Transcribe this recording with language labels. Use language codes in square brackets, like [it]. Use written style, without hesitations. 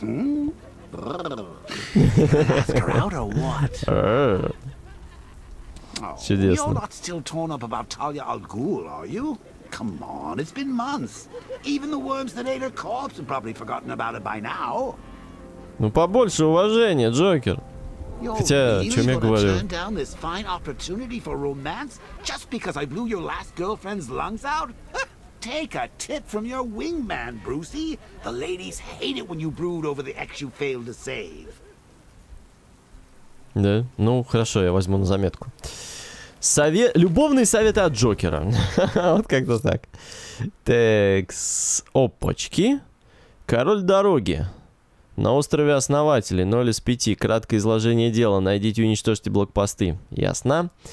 [en] Hmm? Ask her out or what? [ru] Чудесно. [en] You're not still torn up about Talia al Ghul, are you? Come on, it's been months. Even the worms that ate her corpse have probably forgotten about it by now. [ru] Ну побольше уважения, Джокер. Хотя, [en] really [ru] чем я говорю? [en] Turn down this fine opportunity for romance just because I blew your last girlfriend's lungs out? Take a tip from your wingman, Brucey. The ladies hate it when you brood over the ex you failed to save. [ru] Да? Ну, хорошо, я возьму на заметку. Любовные советы от Джокера. Вот как-то так. Так, опачки. Король дороги. На острове Основателей, 0 из 5, краткое изложение дела, найдите и уничтожьте блокпосты. Ясно?